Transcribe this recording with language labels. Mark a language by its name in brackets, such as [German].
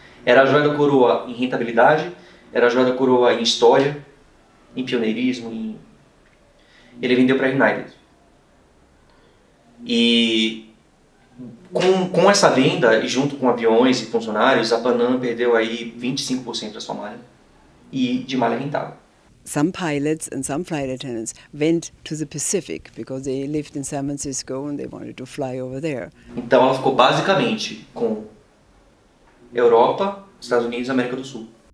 [Portuguese] Era a joia da coroa em rentabilidade, era a joia da coroa em história, em pioneirismo, Ele vendeu para a United. E com essa venda, junto com aviões e funcionários, a Pan Am perdeu aí 25% da sua malha, e de malha rentável. [English] Some pilots and some flight attendants went to the Pacific because they lived in San Francisco and they wanted to fly over there. [Portuguese] Então ela ficou basicamente com Europa, Estados Unidos e América do Sul.